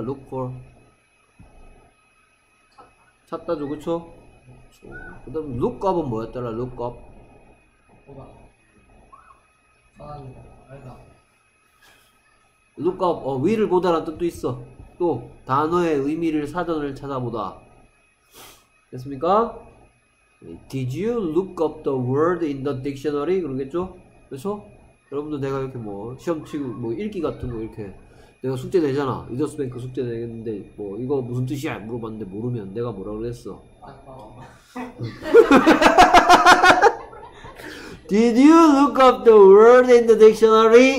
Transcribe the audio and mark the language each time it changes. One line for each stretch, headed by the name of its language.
Korean: Look for 찾다죠, 그쵸? 그쵸. 그 다음, look up은 뭐였더라, look up? 보다. 사람이다, 알다. look up, 위를 보다란 뜻도 있어. 또, 단어의 의미를 사전을 찾아보다. 됐습니까?
English: Did you look up the word in the dictionary?
Korean: 그러겠죠? 그쵸? 여러분도 내가 이렇게 뭐, 시험 치고, 뭐, 읽기 같은 거 이렇게. 내가 숙제 내잖아. 리더스뱅크 숙제 내겠는데 뭐 이거 무슨 뜻이야 물어봤는데 모르면 내가 뭐라 그랬어?
English: Did you look up the word in the dictionary?